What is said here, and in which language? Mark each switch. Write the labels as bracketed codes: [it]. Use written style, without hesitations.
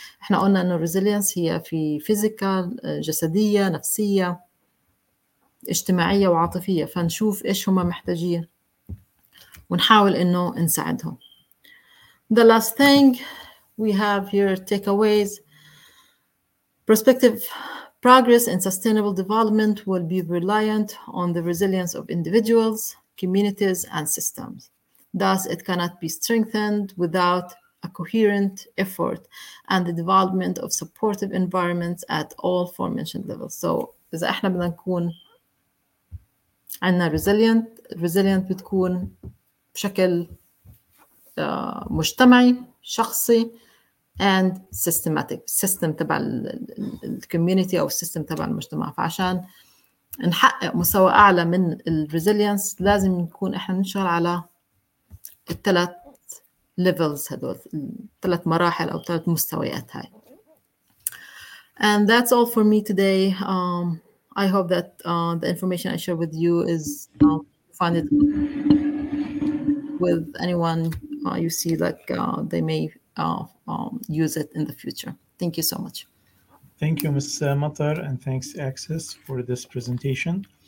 [ar] احنا قلنا انه الريزيلينس هي في فيزيكال جسدية نفسية اجتماعية وعاطفية فنشوف ايش هما محتاجين ونحاول انه نساعدهم. [en] The last thing we have here takeaways perspective progress and sustainable development will be reliant on the resilience of individuals, communities, and systems. Thus, it cannot be strengthened without a coherent effort and the development of supportive environments at all aforementioned levels. So, [ar] إذا إحنا بدنا نكون عنا resilient بتكون بشكل مجتمعي, شخصي, [en] and systematic system [ar] تبع الcommunity أو system تبع المجتمع. فعشان نحقق مستوى أعلى من الresilience لازم نكون إحنا نشغل على الثلاث levels هذول الثلاث مراحل أو الثلاث مستويات هاي. [en] And that's all for me today. I hope that the information I share with you is find it with anyone you see they may use it in the future. Thank you so much. Thank you, Ms. Matar, and thanks, Access, for this presentation.